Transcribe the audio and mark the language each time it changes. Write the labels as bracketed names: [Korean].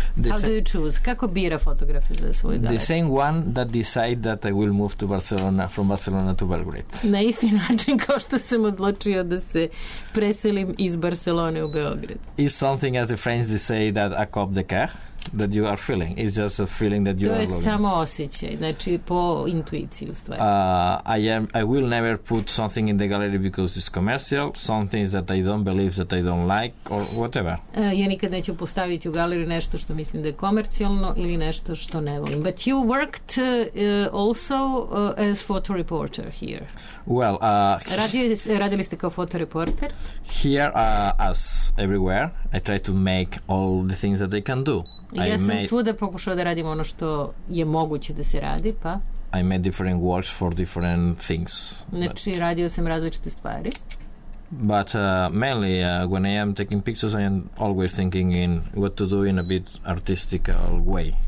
[English] How do you choose? [Serbian] Kako bira fotografe za svoj galeriju? [English] The same one that decide that I will move to Barcelona, from Barcelona to Belgrade. [Serbian] Na isti način kao što sam odlučio da se preselim iz Barcelone u Beograd. [English] It's something, as the French say, that a cop de car, that you are feeling. It's just a feeling that you to are [Serbian] to je samo osjećaj, znači po intuiciji u stvari. [English] I will never put something in the gallery because it's commercial, some things that I don't believe, that I don't like, or whatever. [Serbian] Ja nikad neću postaviti u galeriju nešto što mislim da je komercijalno ili nešto što ne volim. [English] But you worked also as photo reporter here. Well, [Serbian] radili ste kao photo reporter? [English] Here, as everywhere, I try to make all the things that I can do. [Serbian] Ja sam svuda pokušao da radim ono što je moguće da se radi, pa... [English] I made different works for different things. [Serbian] Znači, radio sam različite stvari. [English] But mainly, when I am taking pictures, I am always thinking in what to do in a bit artistical way.